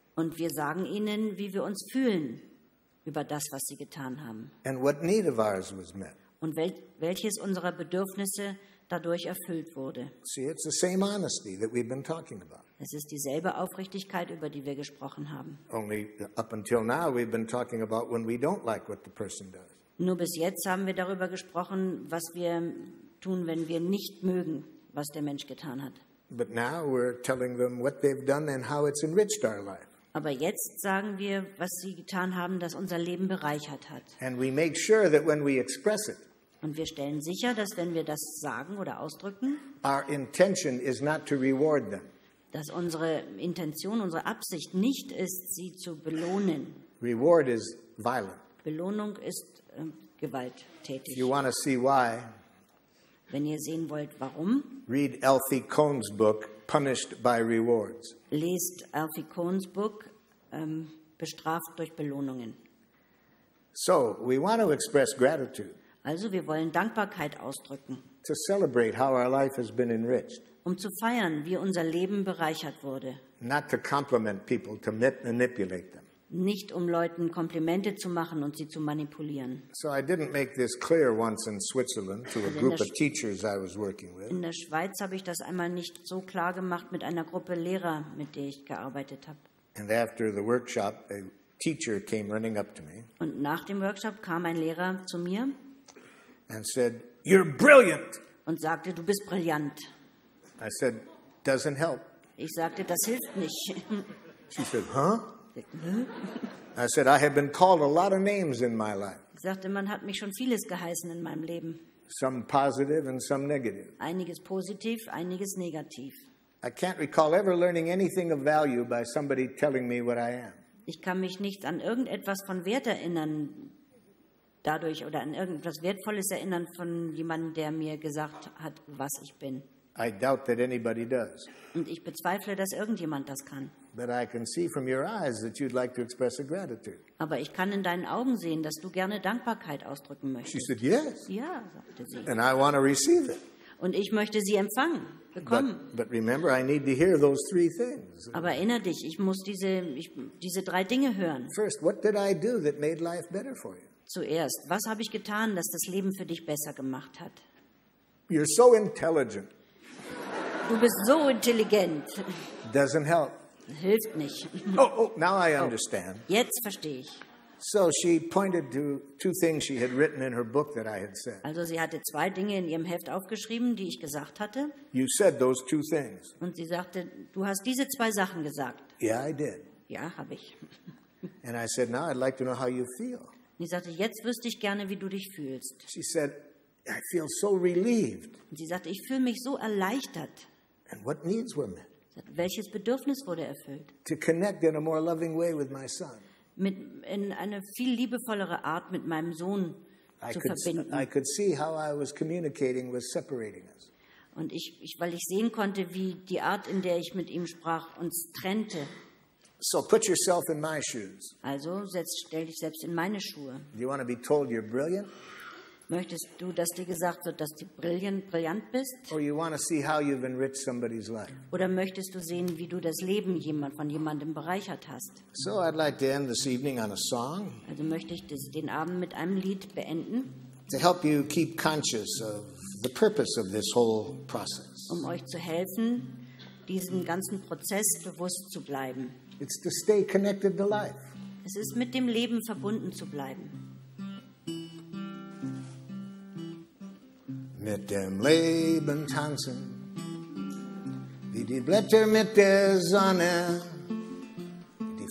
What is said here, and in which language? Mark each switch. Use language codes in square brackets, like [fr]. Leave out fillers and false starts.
[de] Und wir sagen ihnen, wie wir uns fühlen über das, was sie getan haben. [en] And what need of ours was met. [de] Und welches unserer Bedürfnisse dadurch erfüllt wurde. [en] See, it's the same honesty that we've been talking about. [de] Es ist dieselbe Aufrichtigkeit, über die wir gesprochen haben. [en] Only up until now we've been talking about when we don't like what the person does. [de] Nur bis jetzt haben wir darüber gesprochen, was wir tun, wenn wir nicht mögen, was der Mensch getan hat. [en] But now we're telling them what they've done and how it's enriched our life. [de] Aber jetzt sagen wir, was sie getan haben, das unser Leben bereichert hat. [en] And we make sure that when we express it, [de] und wir stellen sicher, dass wenn wir das sagen oder ausdrücken, [en] our intention is not to reward them. [de] Dass unsere Intention, unsere Absicht nicht ist, sie zu belohnen. [en] Reward is violent. [de] Belohnung ist gewalttätig. [en] You want to see why, [de] wenn ihr sehen wollt, warum, [en] read Alfie Kohn's book, Punished by Rewards. [de] Lest Alfie Kohn's book, Bestraft durch Belohnungen. [en] So, we want to express gratitude. [de] Also, wir wollen Dankbarkeit ausdrücken. [en] To celebrate how our life has been enriched. [de] Um zu feiern, wie unser Leben bereichert wurde. [en] Not to compliment people, to manipulate them. [de] Nicht um Leuten Komplimente zu machen und sie zu manipulieren. [en] So I didn't make this clear once in Switzerland to a group of teachers I was working with. [de] In der Schweiz habe ich das einmal nicht so klar gemacht mit einer Gruppe Lehrer, mit der ich gearbeitet habe. [en] And after the workshop, a teacher came running up to me. [de] Und nach dem Workshop kam ein Lehrer zu mir. [en] And said, "You're brilliant." [de] Und sagte, du bist brillant. [en] I said, "Doesn't help." [de] Ich sagte, das hilft nicht. [en] She said, "Huh?" I said, "I have been called a lot of names in my life." [de] Ich sagte, man hat mich schon vieles geheißen in meinem Leben. [en] Some positive and some negative. [de] Einiges positiv, einiges negativ. [en] I can't recall ever learning anything of value by somebody telling me what I am. [de] Ich kann mich nicht an irgendetwas von Wert erinnern, dadurch oder an irgendetwas Wertvolles erinnern von jemandem, der mir gesagt hat, was ich bin. [en] I doubt that anybody does. [de] Und ich bezweifle, dass irgendjemand das kann. [en] But I can see from your eyes that you'd like to express a gratitude. [de] Aber ich kann in deinen Augen sehen, dass du gerne Dankbarkeit ausdrücken möchtest. [en] She said, "Yes." [de] Ja, sagte sie. [en] And I want to receive it. [de] Und ich möchte sie empfangen, bekommen. [en] But remember, I need to hear those three things. [de] Aber erinnere dich, ich muss diese drei Dinge hören. [en] First, what did I do that made life better for you? [de] Zuerst, was habe ich getan, dass das Leben für dich besser gemacht hat? [en] You're so intelligent. [de] Du bist so intelligent. [en] Doesn't help. [de] Hilft nicht. [en] Now I understand. [de] Oh, jetzt verstehe ich. [en] So she pointed to two things she had written in her book that I had said. [de] Also sie hatte zwei Dinge in ihrem Heft aufgeschrieben, die ich gesagt hatte. [en] You said those two things. [de] Und sie sagte, du hast diese zwei Sachen gesagt. [en] Yeah, I did. [de] Ja, habe ich. [en] And I said, now I'd like to know how you feel. [de] Und sie sagte, jetzt wüsste ich gerne, wie du dich fühlst. [en] She said, I feel so relieved. [de] Und sie sagte, ich fühle mich so erleichtert. [en] And what needs were met? [de] Welches Bedürfnis wurde erfüllt? [en] To connect in a more loving way with my son. [de] Mit in eine viel liebevollere Art mit meinem Sohn zu verbinden. [en] I could see how I was communicating was separating us. [de] Und ich weil ich sehen konnte, wie die Art, in der ich mit ihm sprach, uns trennte. [en] So put yourself in my shoes. [de] Also stell dich selbst in meine Schuhe. [en] Do you want to be told you're brilliant? [de] Möchtest du, dass dir gesagt wird, dass du brillant bist? [en] Or you want to see how you've enriched somebody's life? [de] Oder möchtest du sehen, wie du das Leben von jemandem bereichert hast? [en] So I'd like to end this evening on a song. [de] Also möchte ich den Abend mit einem Lied beenden. [en] To help you keep conscious of the purpose of this whole process. [de] Um euch zu helfen, diesen ganzen Prozess bewusst zu bleiben. [en] It's to stay connected to life. [de] Es ist, mit dem Leben verbunden zu bleiben. Mit dem Leben tanzen, wie die Blätter mit der Sonne, die